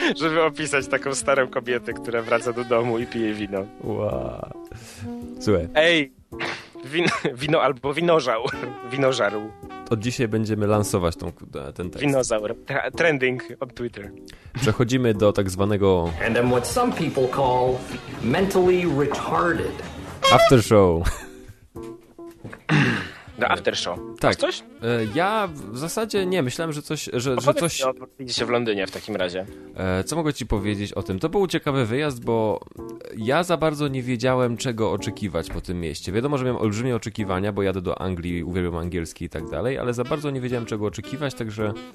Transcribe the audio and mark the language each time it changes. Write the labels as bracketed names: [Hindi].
[Polish] Żeby opisać taką starą kobietę, która wraca do domu i pije wino. Wow. Słuchaj. Ej, wino albo winożarł. Od dzisiaj będziemy lansować ten tekst. Winozaur, [English] trending on Twitter. [Polish] Przechodzimy do tak zwanego... [English] And I'm what some people call mentally retarded. After show. [Polish] No after show. Tak. Coś? Ja w zasadzie nie, myślałem, że coś... Idzie się w Londynie w takim razie. Co mogę ci powiedzieć o tym? To był ciekawy wyjazd, bo ja za bardzo nie wiedziałem, czego oczekiwać po tym mieście. Wiadomo, że miałem olbrzymie oczekiwania, bo jadę do Anglii, uwielbiam angielski i tak dalej, ale za bardzo nie wiedziałem, czego oczekiwać, także...